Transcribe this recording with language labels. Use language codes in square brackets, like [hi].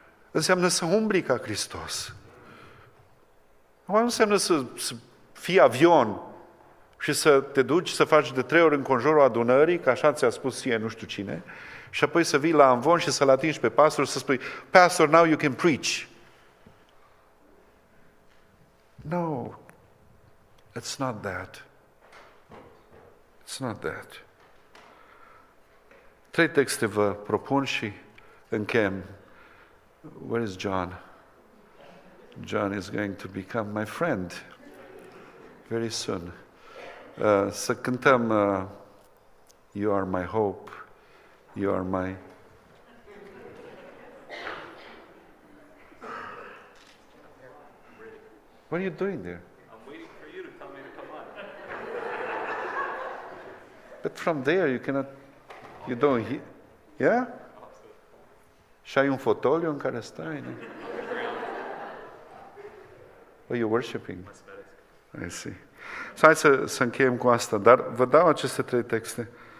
[ro] Înseamnă să umbli ca Hristos. Nu înseamnă să fii avion și să te duci să faci de trei ori în conjurul adunării, că așa ți-a spus ție nu știu cine, și apoi să vii la amvon și să-l atingi pe pastor și să spui, pastor, [en] now you can preach. No, it's not that. It's not that. [ro] Trei texte vă propun și închem. [en] Where is John? John is going to become my friend very soon. Să cântăm You Are My Hope. You are my... What are you doing there? I'm waiting for you to tell me to come on. But from there you cannot... You don't hear... Yeah? [ro] Și ai un fotoliu în care stai, nu? [en] Are you worshiping? I see. So [ro] hai să încheiem cu asta, dar vă dau aceste trei texte.